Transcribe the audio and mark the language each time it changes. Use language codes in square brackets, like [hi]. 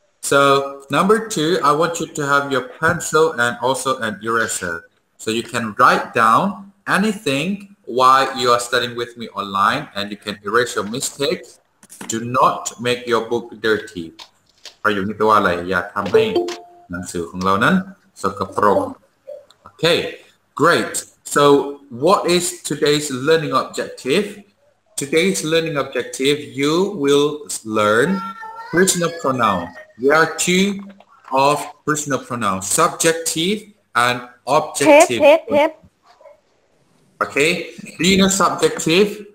[en] So number two, I want you to have your pencil and also an eraser, so you can write down anything while you are studying with me online, and you can erase your mistakes. Do not make your book dirty. [th] ประโยคนี้แปลว่าอะไรอย่าทำให้หนังสือของเรานั้นสกปรก [en] Okay, great. So what is today's learning objective? Today's learning objective, you will learn personal pronoun. There are two of personal pronouns, subjective and objective. Pip. Okay, do you know subjective?